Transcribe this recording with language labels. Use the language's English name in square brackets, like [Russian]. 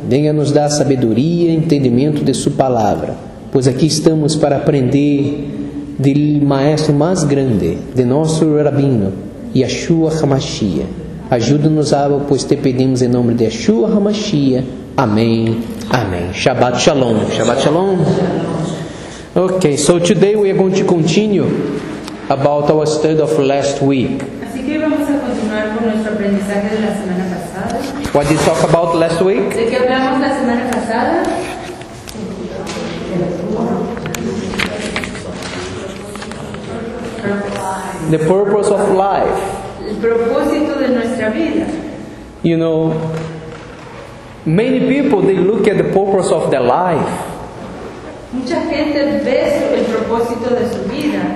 [Portuguese] Venha nos dar sabedoria e entendimento de sua palavra. Pois aqui estamos para aprender do maestro mais grande, de nosso rabino, Yeshua HaMashiach. Ajuda-nos, Abba, pois te pedimos em nome de Yeshua HaMashiach. Amém. Amém. Shabbat Shalom. Shabbat Shalom. [English] Ok, so today we are going to continue about our study of last week. [Spanish] Así que vamos a continuar con nuestro aprendizaje de la semana pasada. [English] What did you talk about last week? [Spanish] De que hablamos la semana pasada. [English] The purpose of life. [Spanish] El propósito de nuestra vida. [English] You know, many people, they look at the purpose of their life. [Spanish] Mucha gente ve el propósito de su vida.